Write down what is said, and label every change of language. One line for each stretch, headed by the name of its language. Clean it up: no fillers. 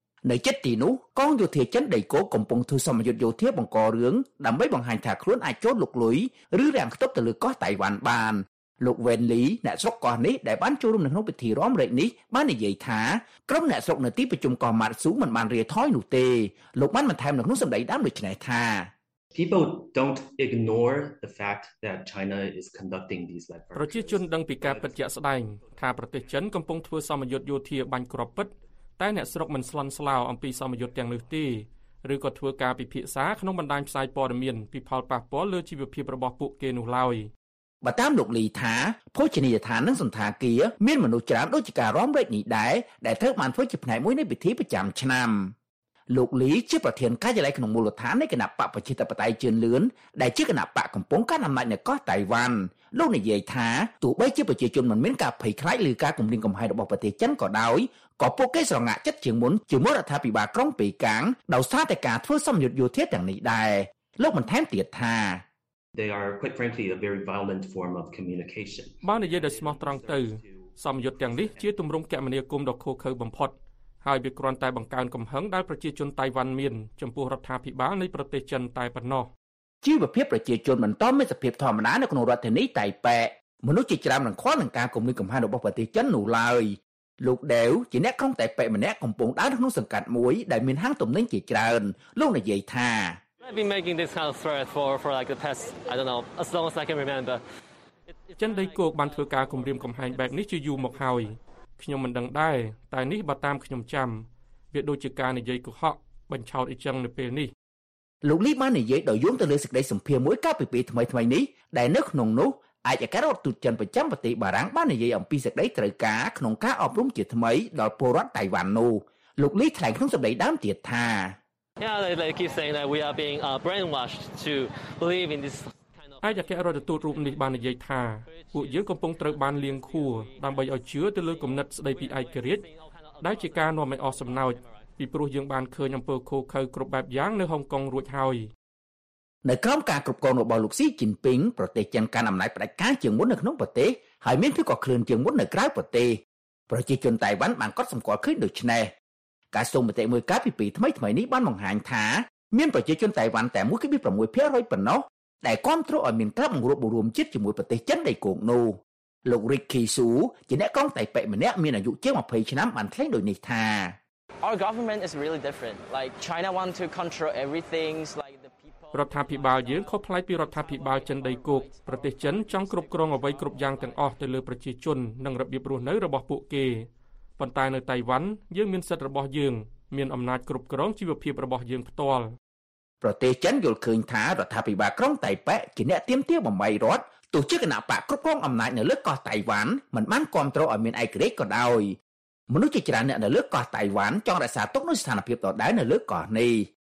Khmer: នៅចិត្តទីនោះកងយោធាចិនដីគោកកំពុងធ្វើសមយុទ្ធយោធាបង្ករឿងដើម្បីបង្ហាញថាខ្លួនអាចចូលលុកលុយឬរាំងខ្ទប់ទៅលើកោះតៃវ៉ាន់បានលោកវ៉េនលីអ្នកស្រុកកោះនេះដែលបានចូលរួមក្នុងពិធីរំលែកនេះបាននិយាយថាក្រុមអ្នកស្រុកនៅទីប្រជុំកោះម៉ាត់ស៊ូមិនបានរៀថយនោះទេលោកបានបន្ថែមនៅក្នុងសម្ដីដើមដូចនេះថា
English: People don't ignore the fact that China is conducting these like
Khmer: ប្រជាជនដឹងពីការពិតជាក់ស្ដែងថាប្រទេសចិនកំពុងធ្វើសមយុទ្ធយោធាបាញ់គ្រាប់ពិតតែអ្នកស្រុកមិនស្លន់ស្លោអំពីសមយុទ្ធទាំងនោះទេឬក៏ធ្វើការពិភាក្សាក្នុងបណ្ដាញផ្សាយព័ត៌មានពីផលប៉ះពាល់លើជីវភាពរបស់ពួកគេនោះឡើយ បតាមលោកលីថាភោជនីយដ្ឋាននិងសន្តាគារមានមនុស្សច្រើនដូចជាការរំលែកនេះដែរដែលត្រូវបានធ្វើជាផ្នែកមួយនៃពិធីប្រចាំឆ្នាំលោកលីជាប្រធានការិយាល័យក្នុងមូលដ្ឋាននៃគណៈបកប្រជាធិបតេយ្យជឿនលឿនដែលជាគណៈបកកំពុងកាន់អំណាចនៅកោះតៃវ៉ាន់លោកនិយាយថាទោះបីជាប្រជាជនមិនមានការភ័យខ្លាចឬការគំរាមកំហែងរបស់ប្រទេសចិនក៏ដោយក៏ពួកគេស្រងាក់ចិត្តជាងមុនជាមួយរដ្ឋាភិបាលក្រុងប៉េកាំងដោយសារតែការធ្វើសម្ពាធយោធាទាំងនេះដែរលោកបន្ថែមទៀតថា
English: They are quite frankly a very violent form of communication.
Khmer: បាននិយាយដោយស្មោះត្រង់ទៅសមយុទ្ធទាំងនេះជាទម្រង់កម្មនីយកម្មដ៏ឃោរឃៅបំផុតហើយវាគ្រាន់តែបង្កើនកំហឹងដល់ប្រជាជនតៃវ៉ាន់មានចំពោះរដ្ឋាភិបាលនៃប្រទេសចិនតែប៉ុណ្ណោះ ជីវភាពប្រជាជនបន្តមានសភាពធម្មតានៅក្នុងរដ្ឋធានីតៃប៉ែមនុស្សជាច្រើនរងខ្វល់នឹងការគំរាមកំហែងរបស់ប្រទេសចិននោះឡើយលោកដាវជាអ្នកក្នុងតៃប៉ែម្នាក់កំពុងដើរក្នុងសង្កាត់មួយដែលមានហាងទំនិញជាច្រើនលោកនិយាយថា
English: I've been making this kind of threat for like the past I don't know as long as I can remember.
Khmer: ចិនដីគោកបានធ្វើការគម្រាមកំហែងបែបនេះជាយូរមកហើយខ្ញុំមិនដឹងដែរតែនេះបើតាមខ្ញុំចាំវាដូចជាការនិយាយកុហកបញ្ឆោតអីចឹងនៅពេលនេះ លោកលីបាននិយាយដោយយោងទៅលើសេចក្តីសម្ភារមួយកាលពីពេលថ្មីថ្មីនេះដែលនៅក្នុងនោះអាយការរដ្ឋទូតចិនប្រចាំប្រទេសបារាំងបាននិយាយអំពីសេចក្តីត្រូវការក្នុងការអប់រំជាថ្មីដល់ពលរដ្ឋតៃវ៉ាន់នោះលោកលីថ្លែងក្នុងសម្ដីដើមទៀតថា
English: Yeah, they keep saying that we are being brainwashed to believe in this kind of
Khmer: ឯកអគ្គរដ្ឋទូតរូបនេះបាននិយាយថាពួកយើងកំពុងត្រូវបានលៀងខួរដើម្បីឲ្យជឿទៅលើគំនិតស្ដីពីឯករាជ្យដែលជាការនាំឲ្យអស់សំណោចពីព្រោះយើងបានឃើញអំពើខុសខើគ្រប់បែបយ៉ាងនៅហុងកុងរួចហើយ នៅក្រោមការគ្រប់គ្រងរបស់លោកស៊ីជីនពីងប្រទេសចិនកាន់អំណាចផ្ដាច់ការជាងមុននៅក្នុងប្រទេសហើយមានទីក៏ខ្លួនជាងមុននៅក្រៅប្រទេសប្រជាជនតៃវ៉ាន់បានកត់សម្គាល់ឃើញដូច្នេះការសុំមតិមួយកាលពីពេលថ្មីថ្មីនេះបានបង្ហាញថាមានប្រជាជនតៃវ៉ាន់តែ 1.6% ប៉ុណ្ណោះដែលគាំទ្រឲ្យមានការបង្រួបបង្រួមជាតិជាមួយប្រទេសចិនដីគោកនោះលោក Ricky Su ជាអ្នកកងតៃប៉ែម្នាក់មានអាយុជាង20ឆ្នាំបានថ្លែងដូចនេះថា
English: Our government is really different like China want to control everything like the people
Khmer: រដ្ឋាភិបាលយើងខុសប្លែកពីរដ្ឋាភិបាលចិនដីគោកប្រទេសចិនចង់គ្រប់គ្រងអ្វីគ្រប់យ៉ាងទាំងអស់ទៅលើប្រជាជននិងរបៀបរស់នៅរបស់ពួកគេប៉ុន្តែនៅតៃវ៉ាន់យើងមានសិទ្ធិរបស់យើងមានអំណាចគ្រប់គ្រងជីវភាពរបស់យើងផ្ទាល់ប្រទេសចិនយល់ឃើញថារដ្ឋាភិបាលក្រុងតៃប៉ែជាអ្នកទៀមទាបំបីរដ្ឋទោះជាគណៈបកគ្រប់គ្រងអំណាចនៅលើកោះតៃវ៉ាន់មិនបានគ្រប់គ្រងឲ្យមានឯករាជ្យក៏ដោយមនុស្សជាច្រើនអ្នកនៅលើកោះតៃវ៉ាន់ចង់រក្សាទុកនូវស្ថានភាពដដែលនៅលើកោះនេះ